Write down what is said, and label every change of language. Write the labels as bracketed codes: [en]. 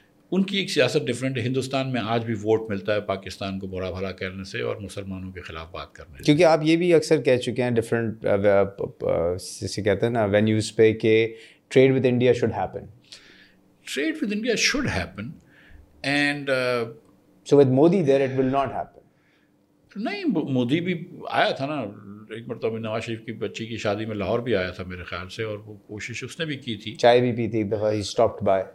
[ur] ان کی ایک سیاست ڈفرینٹ ہے. ہندوستان میں آج بھی ووٹ ملتا ہے پاکستان کو برا بھلا کہنے سے اور مسلمانوں کے خلاف بات کرنے سے. کیونکہ آپ یہ بھی اکثر کہہ چکے ہیں ڈفرینٹ جسے کہتے ہیں نا وینیوز پہ کہ [en] Trade with India should happen. Trade with India should happen, and so with Modi there it will not happen. [ur] نہیں مودی بھی آیا تھا نا ایک مرتبہ, نواز شریف کی بچی کی شادی میں لاہور بھی آیا تھا میرے خیال سے, اور وہ کوشش اس نے بھی کی تھی, چائے بھی پی تھی ایک دفعہ, [en] He stopped by.